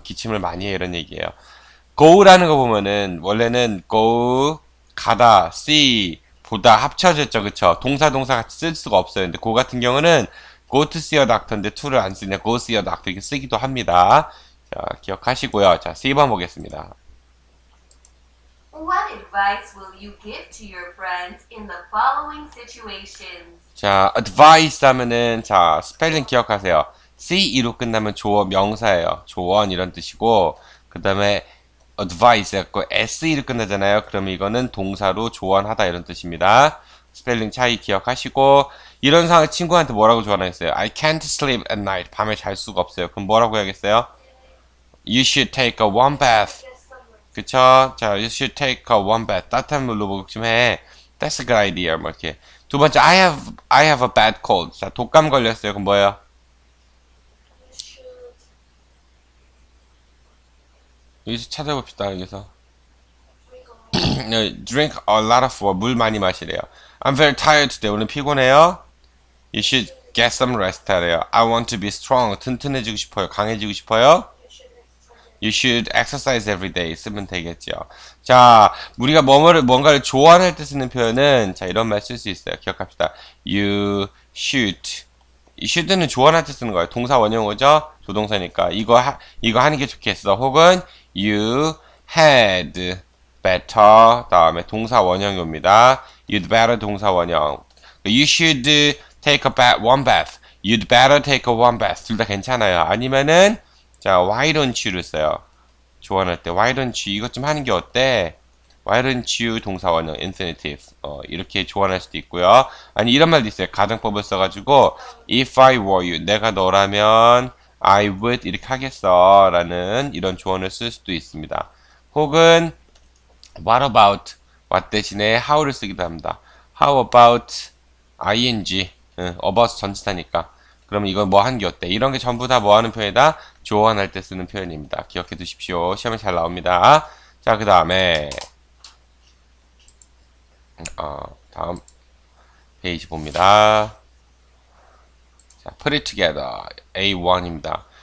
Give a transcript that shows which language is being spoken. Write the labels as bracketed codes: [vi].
[ko] 기침을 많이 해 이런 얘기예요. go라는 거 보면은 원래는 go, 가다, see, 보다 합쳐졌죠. 그쵸? 동사 같이 쓸 수가 없어요. 근데 go 같은 경우는 [en] go to see a doctor [ko] 인데 to를 안 쓰냐 [en] go see a doctor [ko] 이렇게 쓰기도 합니다. 자, 기억하시고요. 자, 3번 보겠습니다. [en] What advice will you give to your friends in the following situations? [ko] 자, advice 하면은, 자, 스펠링 기억하세요. CE로 끝나면 조어, 명사예요. 조언, 이런 뜻이고, 그 다음에 advice 해갖고 SE로 끝나잖아요. 그럼 이거는 동사로 조언하다, 이런 뜻입니다. 스펠링 차이 기억하시고, 이런 상황 친구한테 뭐라고 조언하겠어요? [en] I can't sleep at night. [ko] 밤에 잘 수가 없어요. 그럼 뭐라고 해야겠어요? [en] You should take a warm bath. [ko] 그쵸? [en] 자, you should take a warm bath. [ko] 따뜻한 물로 목욕 좀 해. [en] That's a good idea. [ko] 뭐 이렇게. [en] 두 번째, I have a bad cold. [ko] 자, 독감 걸렸어요. 그럼 뭐예요? 여기서 찾아봅시다. 여기서. [en] Drink a lot of water. [ko] 물 많이 마시래요. [en] I'm very tired today. [ko] 오늘 피곤해요. [en] You should get some rest [ko] 하래요. [en] I want to be strong. [ko] 튼튼해지고 싶어요. 강해지고 싶어요. [en] You should exercise every day. [ko] 쓰면 되겠죠. 자, 우리가 뭔가를 조언할 때 쓰는 표현은, 자, 이런 말쓸수 있어요. 기억합시다. [en] You should. [ko] should는 조언할 때 쓰는 거예요. 동사 원형어죠? 조동사니까. 이거 하는 게 좋겠어. [en] 혹은, you had better. [ko] 다음에 동사 원형입니다. You'd better 동사 원형. [en] You should take a bath, warm bath. You'd better take a warm bath. [ko] 둘다 괜찮아요. 아니면은, 자, [en] why don't you [ko] 를 써요. 조언할 때, why don't you, 이것 좀 하는 게 어때? why don't you 동사 원형, infinitive. 이렇게 조언할 수도 있고요. 아니, 이런 말도 있어요. 가정법을 써가지고, [en] if I were you, [ko] 내가 너라면, I would, 이렇게 하겠어. 라는 이런 조언을 쓸 수도 있습니다. 혹은, what about, what 대신에 how를 쓰기도 합니다. how about, ing, about 전치사니까. 그러면 이건 뭐한게 어때? 이런 게 전부 다뭐 하는 표현이다? 조언할 때 쓰는 표현입니다. 기억해 두십시오. 시험에 잘 나옵니다. 자, 그 다음에, 다음 페이지 봅니다. [en] 자, put it together. [ko] A1입니다.